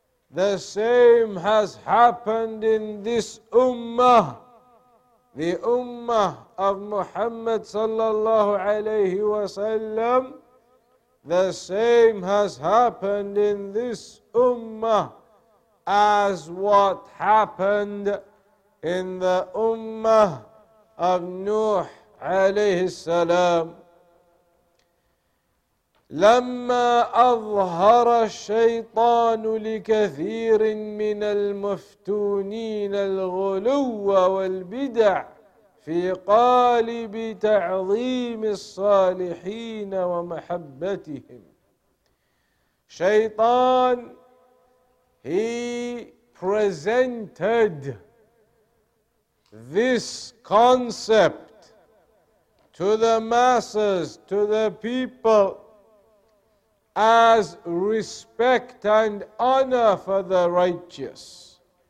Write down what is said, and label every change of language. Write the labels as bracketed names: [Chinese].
[English] The same has happened in this ummah, the ummah of Muhammad sallallahu alayhi wa sallam. The same has happened in this ummah as what happened in the ummah of Nuh alayhi salam. [Arabic] لما أظهر الشيطان لكثير من المفتونين الغلو والبدع في قالب تعظيم الصالحين ومحبتهم. [English] شيطان, he presented this concept to the masses, to the people, as respect and honor for the righteous.